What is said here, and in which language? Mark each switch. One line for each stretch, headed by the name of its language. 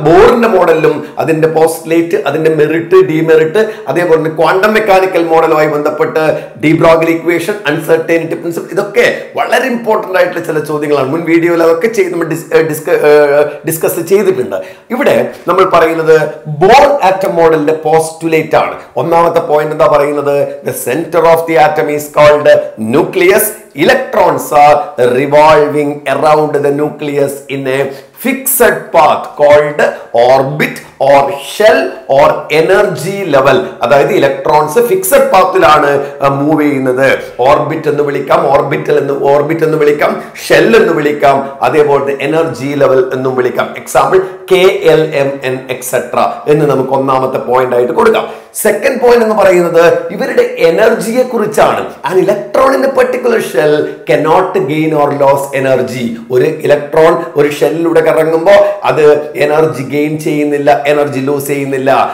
Malayalam: ബോറിന്റെ മോഡലിലും അതിന്റെ പോസ്റ്റുലേറ്റ്, അതിന്റെ merit, demerit, അതേപോലെ തന്നെ ക്വാണ്ടം മെക്കാനിക്കൽ മോഡലുമായി ബന്ധപ്പെട്ട് ഡി ബ്രോഗ്ലി ഇക്വേഷൻ, അൺസർട്ടേനിറ്റി പ്രിൻസിപ്പിൾ, ഇതൊക്കെ വളരെ ഇമ്പോർട്ടൻ്റ് ആയിട്ടുള്ള ചില ചോദ്യങ്ങളാണ്. മുൻ വീഡിയോയിൽ അതൊക്കെ ചെയ്ത് നമ്മൾ ഡിസ്കസ് ചെയ്തിട്ടുണ്ട്. ഇവിടെ നമ്മൾ പറയുന്നത് ബോർ ആറ്റം മോഡലിന്റെ പോസ്റ്റുലേറ്റ് ആണ്. ഒന്നാമത്തെ പോയിന്റ് എന്താ പറയുന്നത്?
English: The center of the atom is called the nucleus. Electrons are revolving around the nucleus in a fixed path called orbit or shell or energy level.
Malayalam: അതായത് ഇലക്ട്രോൺസ് ഫിക്സഡ് പാത്തിലാണ് മൂവ് ചെയ്യുന്നത്. Orbit എന്ന് വിളിക്കാം, orbital എന്ന് orbit എന്ന് വിളിക്കാം, shell എന്ന് വിളിക്കാം, അതേപോലെ തന്നെ എനർജി ലെവൽ എന്നും വിളിക്കാം. Example KLMN etc. എന്ന് നമുക്ക് ഒന്നാമത്തെ പോയിന്റ് ആയിട്ട് കൊടുക്കാം. സെക്കൻഡ് പോയിന്റ് എന്ന് പറയുന്നത് ഇവരുടെ എനർജിയെ കുറിച്ചാണ്.
English: An electron in a particular shell cannot gain or loss energy.
Malayalam: ഒരു ഇലക്ട്രോൺ ഒരു ഷെല്ലിലൂടെ കറങ്ങുമ്പോൾ അത് എനർജി ഗെയിൻ ചെയ്യുന്നില്ല, എനർജി ലൂസ് ചെയ്യുന്നില്ല.